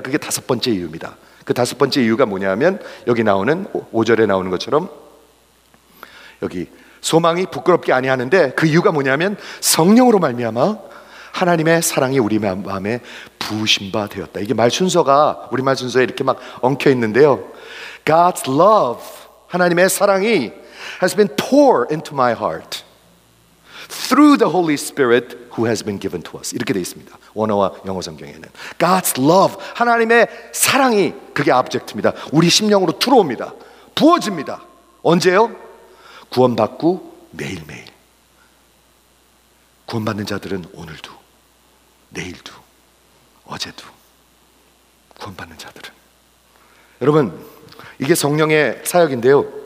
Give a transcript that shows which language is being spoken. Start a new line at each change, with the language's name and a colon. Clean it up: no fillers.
Korean: 그게 다섯 번째 이유입니다. 그 다섯 번째 이유가 뭐냐면 여기 나오는 5절에 나오는 것처럼 여기 소망이 부끄럽게 아니하는데 그 이유가 뭐냐면 성령으로 말미암아 하나님의 사랑이 우리 마음에 부으신 바 되었다. 이게 말 순서가 우리말 순서에 이렇게 막 엉켜 있는데요.
English: God's love,
Korean: 하나님의 사랑이
English: has been poured into my heart through the Holy Spirit who has been given to us.
Korean: 이렇게 되어 있습니다. 원어와 영어 성경에는 God's love, 하나님의 사랑이 그게 object입니다. 우리 심령으로 들어옵니다. 부어집니다. 언제요? 구원받고 매일매일. 구원받는 자들은 오늘도 내일도 어제도 구원받는 자들은 여러분 이게 성령의 사역인데요.